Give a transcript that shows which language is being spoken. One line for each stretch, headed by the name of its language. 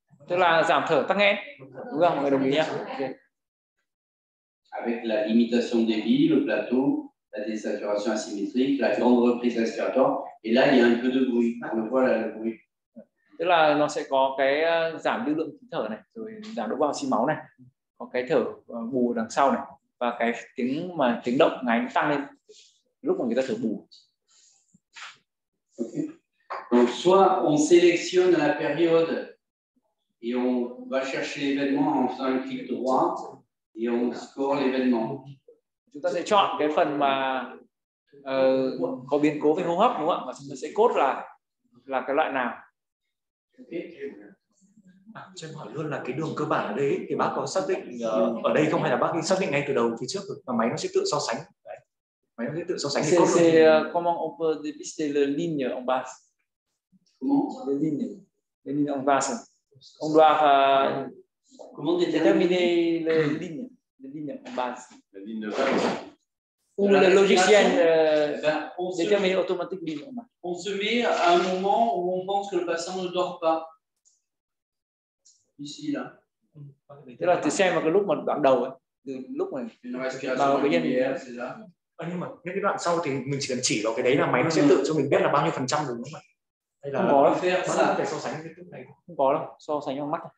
Vietnamese: Tức là giảm thở tăng nghẽn. Đúng không? Mọi người đồng ý nhé.
French: Avec la limitation débit, le plateau, la désaturation asymétrique, la grande reprise respiratoire. Et là, il y a un peu de bruit. On le voit là le bruit.
Vietnamese: Tức là nó sẽ có cái giảm lưu lượng thở này, rồi giảm độ bão oxy máu này, có cái thở bù đằng sau này. Và cái tiếng mà tiếng động ngáy tăng lên lúc mà người ta thở bù. Okay.
French: Donc, soit on sélectionne la période et on va chercher l'événement en faisant un clic droit et on score l'événement.
Vietnamese: Chúng ta sẽ chọn cái phần mà có biến cố về hô hấp, đúng không ạ? Và chúng ta sẽ code là cái loại nào. Cho em hỏi luôn là cái đường cơ bản ở đây thì bác có xác định ở đây không, hay là bác xác định ngay từ đầu phía trước rồi mà máy nó sẽ tự so sánh. Đấy. Máy nó sẽ tự so sánh.
French: C'est comment on peut dépister la ligne en basse. Comment? La ligne en basse. On doit déterminer la ligne. La ligne en basse. La ligne de basse. Ou le logiciel détermine automatiquement. On se met à un moment où on pense que le patient ne dort pas. Ici là.
Vietnamese: Tức là tu xem vào cái lúc mà đoạn đầu ấy, từ lúc này. Vào cái nhân. Nhưng mà những cái đoạn sau thì mình chỉ cần chỉ vào cái đấy là máy nó sẽ tự cho mình biết là bao nhiêu phần trăm đúng không ạ? Hay là không có thể so sánh cái lúc này. Không có đâu, so sánh bằng mắt.